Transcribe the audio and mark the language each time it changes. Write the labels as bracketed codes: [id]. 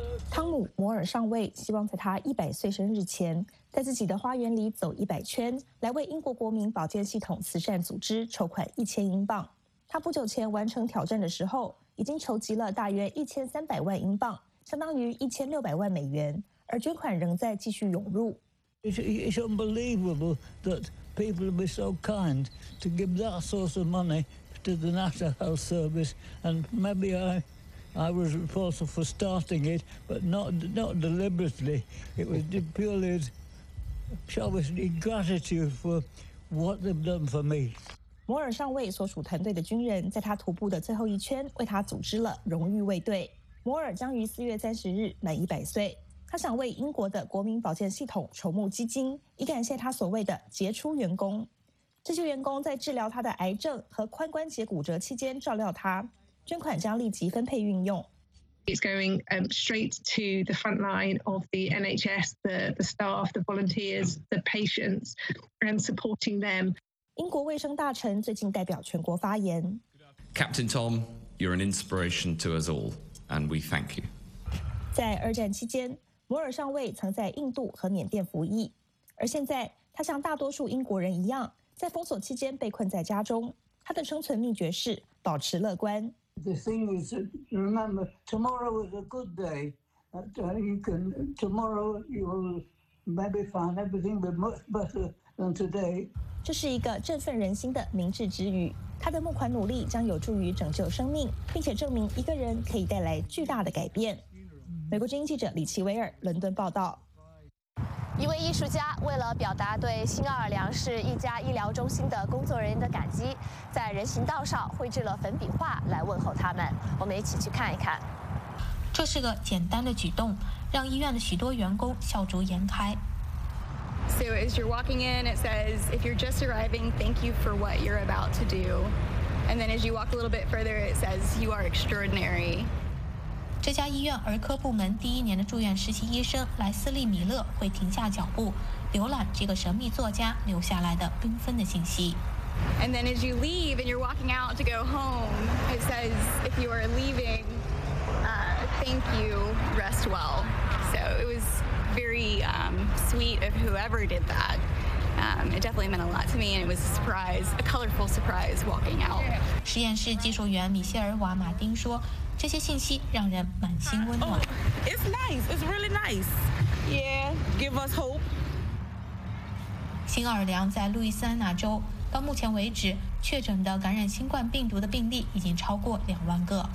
[zh] 汤姆·摩尔上尉希望在他100岁生日前，在自己的花园里走100圈，来为英国国民保健系统慈善组织筹款1000英镑。他不久前完成挑战的时候，已经筹集了大约1300万英镑，相当于1600万美元。而捐款仍在继续涌入。 [en] It's unbelievable that people will be so kind to give that source of money to the National Health Service. And maybe I was responsible for starting it, but not deliberately. It was purely, shall we say, gratitude for what they've done for me. [zh] 摩尔上尉所属团队的军人在他徒步的最后一圈为他组织了荣誉卫队。摩尔将于4月30日满100岁。他想为英国的国民保健系统筹募基金，以感谢他所谓的杰出员工。这些员工在治疗他的癌症和髋关节骨折期间照料他，捐款将立即分配运用。 [en] It's going straight to the front line of the NHS, the staff, the volunteers, the patients, and supporting them. [zh] 英国卫生大臣最近代表全国发言。 [en] Captain Tom, you're an inspiration to us all, and we thank you. [zh] 在二战期间，摩尔上尉曾在印度和缅甸服役，而现在他像大多数英国人一样，在封锁期间被困在家中。他的生存秘诀是保持乐观。 [en] The thing is, remember, tomorrow is a good day. Tomorrow you will maybe find everything be much better than today. [zh] 这是一个振奋人心的明智之语。他的募款努力将有助于拯救生命，并且证明一个人可以带来巨大的改变。美国之音记者李奇威尔伦敦报道。一位艺术家为了表达对新奥尔良市一家医疗中心的工作人员的感激，在人行道上绘制了粉笔画来问候他们。我们一起去看一看。这是个简单的举动，让医院的许多员工笑逐颜开。 [en] So as you're walking in, it says, "If you're just arriving, thank you for what you're about to do." And then as you walk a little bit further, it says, "You are extraordinary." [zh] 这家医院儿科部门第一年的住院实习医生莱斯利·米勒会停下脚步，浏览这个神秘作家留下来的缤纷的信息。 [en] And then as you leave and you're walking out to go home, it says, "If you are leaving, thank you. Rest well." So it was very sweet of whoever did that. It definitely meant a lot to me, and it was a surprise, a colorful surprise walking out. [zh] 实验室技术员米歇尔·瓦马丁说。这些信息让人满心温暖。 [en] Oh, it's nice. It's really nice. Yeah, give us hope. [zh] 新奥尔良在路易斯安那州，到目前为止，确诊的感染新冠病毒的病例已经超过20000个。